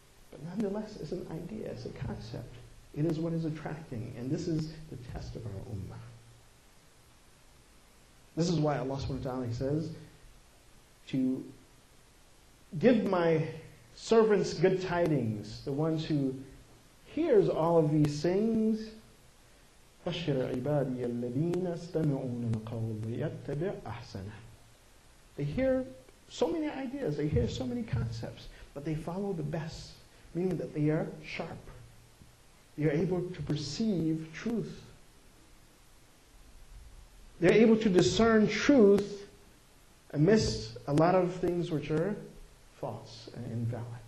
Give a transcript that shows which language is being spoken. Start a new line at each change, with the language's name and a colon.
English: But nonetheless, it's an idea, it's a concept. It is what is attracting, and this is the test of our ummah. This is why Allah subhanahu wa ta'ala says to give my servants good tidings, the ones who hears all of these things.
Arabic: بشر عبادي الذين استمعون القول ويتبع أحسنه.
English: They hear so many ideas, they hear so many concepts, but they follow the best, meaning that they are sharp. They're able to perceive truth. They're able to discern truth amidst a lot of things which are false and invalid.